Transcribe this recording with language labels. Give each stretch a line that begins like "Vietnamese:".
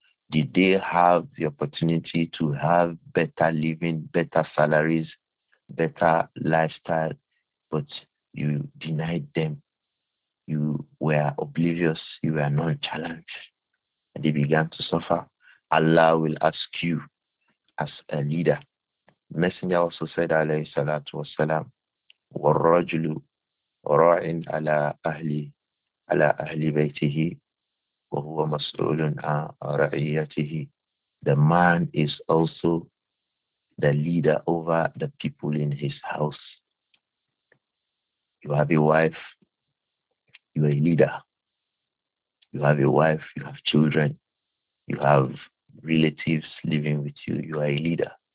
English: Did they have the opportunity to have better living, better salaries, better lifestyle, but you denied them? You were oblivious. You were nonchalant. And they began to suffer. Allah will ask you as a leader. Messenger also said,
Arabic: alayhi salatu wasalam, وَالرَّجُلُ رَعِنْ عَلَىٰ أَهْلِ بَيْتِهِ وَهُوَ مَسْئُولٌ عَنْ رَعِيَّتِهِ.
English: The man is also the leader over the people in his house. You have a wife, you are a leader. You have a wife, you have children, you have relatives living with you, you are a leader.